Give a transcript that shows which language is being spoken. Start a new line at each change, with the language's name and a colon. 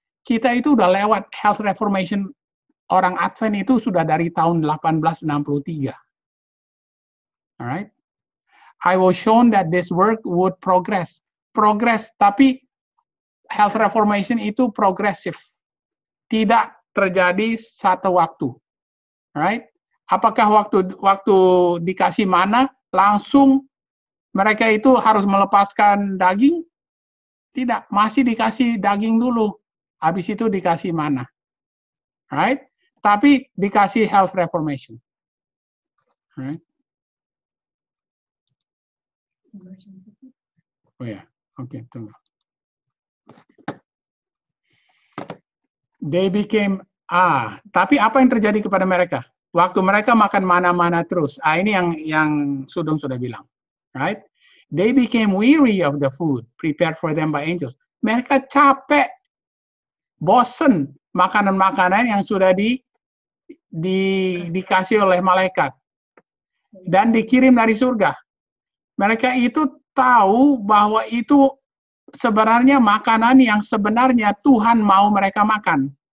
Indonesian: Kita itu udah lewat health reformation orang Advent itu sudah dari tahun 1863.
English: Alright? I was shown that this work would progress.
Indonesian: Progress, tapi health reformation itu progresif. Tidak terjadi satu waktu. Right? Apakah waktu dikasih mana, langsung mereka itu harus melepaskan daging? Tidak. Masih dikasih daging dulu. Habis itu dikasih mana. Right? Tapi dikasih health reformation. Right? Oh ya. Yeah. Oke, okay, tunggu.
English: They became
Indonesian: tapi apa yang terjadi kepada mereka? Waktu mereka makan mana-mana terus. Ini yang Sudung sudah bilang.
English: Right? They became weary of the food prepared for them by angels.
Indonesian: Mereka capek, bosen makanan-makanan yang sudah dikasih oleh malaikat dan dikirim dari surga. Mereka itu tahu bahwa itu sebenarnya makanan yang sebenarnya Tuhan mau mereka makan.